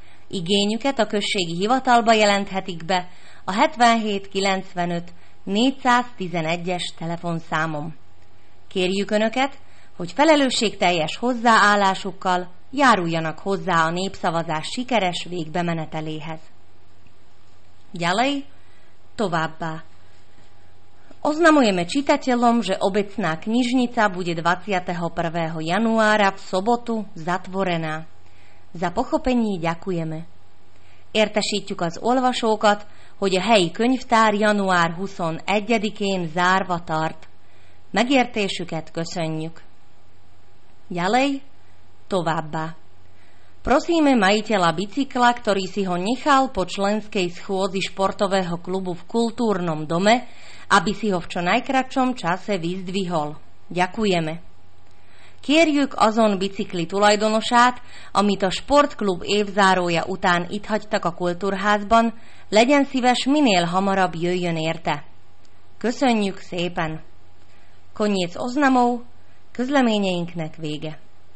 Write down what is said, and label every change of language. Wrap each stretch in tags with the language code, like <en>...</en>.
<hu>Igényüket a községi hivatalba jelenthetik be a 7795 411-es telefonszámon. Kérjük Önöket, hogy felelősségteljes hozzáállásukkal járuljanak hozzá a népszavazás sikeres végbemeneteléhez.</hu> <sk>Ďalej,</sk> <hu>továbbá.</hu> <sk>Oznamujeme čitateľom, že obecná knižnica bude 21. januára v sobotu zatvorená. Za pochopenie ďakujeme.</sk> <hu>Értesítjük az olvasókat, hogy a helyi könyvtár január 21-én zárva tart. Megértésüket köszönjük.</hu> <sk>Ďalej,</sk> <hu>továbbá.</hu> <sk>Prosíme majiteľa bicykla, ktorý si ho nechal po členskej schôdzi športového klubu v kultúrnom dome, aby si ho v čo najkratšom čase vyzdvihol. Ďakujeme.</sk> <hu>Kérjük azon bicikli tulajdonosát, amit a sportklub évzárója után itt hagytak a kultúrházban, legyen szíves minél hamarabb jöjjön érte. Köszönjük szépen!</hu> <sk>Koniec oznamov,</sk> <hu>közleményeinknek vége.</hu>